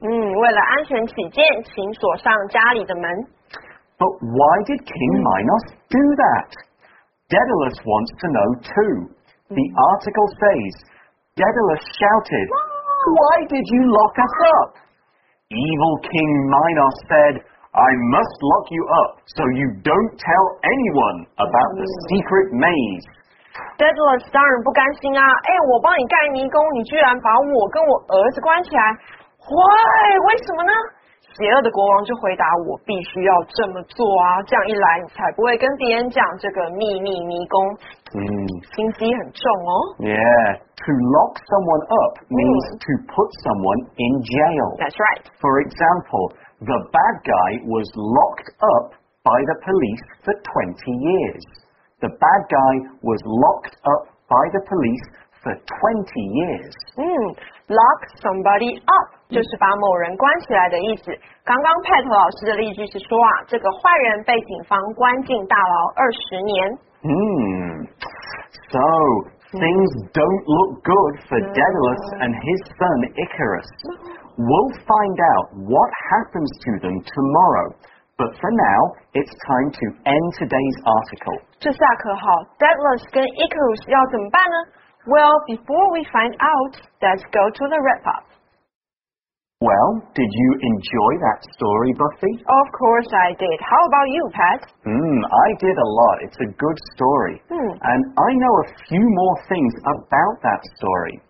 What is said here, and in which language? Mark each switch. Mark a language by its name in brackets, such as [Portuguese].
[Chinese] 为了安全起见，请锁上家里的门。 [English] But why did King Minos do that? Daedalus wants to know too. The article says, Daedalus shouted, Why did you lock us up? Evil King Minos said, I must lock you up so you don't tell anyone about the secret maze. [Chinese] Daedalus 当然不甘心啊，哎，我帮你盖迷宫，你居然把我跟我儿子关起来，坏，为什么呢？邪恶的国王就回答，我必须要这么做啊，这样一来你才不会跟别人讲这个秘密迷宫。心机很重哦。 [English] Yeah, to lock someone up means to put someone in jail. That's right. For example, the bad guy was locked up by the police for 20 years. The bad guy was locked up by the police for 20 years. Lock somebody up. [Chinese] 就是把某人关起来的意思。刚刚 Pat 老师的例句是说啊，这个坏人被警方关进大牢20年。 [English] So things don't look good for Daedalus and his son Icarus. We'll find out what happens to them tomorrow. But for now, it's time to end today's article. [Chinese] 这下可好， Daedalus 跟 Icarus 要怎么办呢？ [English] Well, before we find out, let's go to the wrap up. Well, did you enjoy that story, Buffy? Of course I did. How about you, Pat? I did a lot. It's a good story. And I know a few more things about that story.